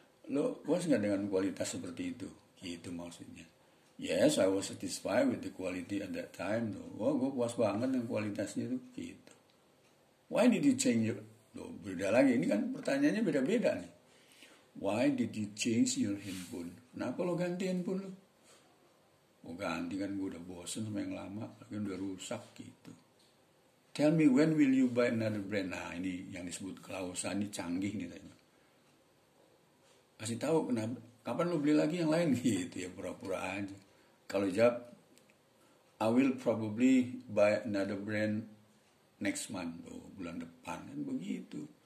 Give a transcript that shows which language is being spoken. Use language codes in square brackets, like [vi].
[id] Lo puas gak dengan kualitas seperti itu? Gitu maksudnya. [en] Yes, I was satisfied with the quality at that time. [id] Tuh, wah, gue puas banget dengan kualitasnya tuh. Gitu. [en] Why did you change your... [id] Tuh, beda lagi. Ini kan pertanyaannya beda-beda nih. [en] Why did you change your handphone? [id] Kenapa lo ganti handphone lo? Oh, ganti kan gue udah bosen sama yang lama. Lagi udah rusak gitu. [en] Tell me, when will you buy another brand? [id] Nah, ini yang disebut klausa. Ini canggih nih. Tanya. Kasih tahu kenapa... Kapan lo beli lagi yang lain gitu ya, pura-pura aja. Kalau jawab, [en] I will probably buy another brand next month, [id] oh, bulan depan kan begitu.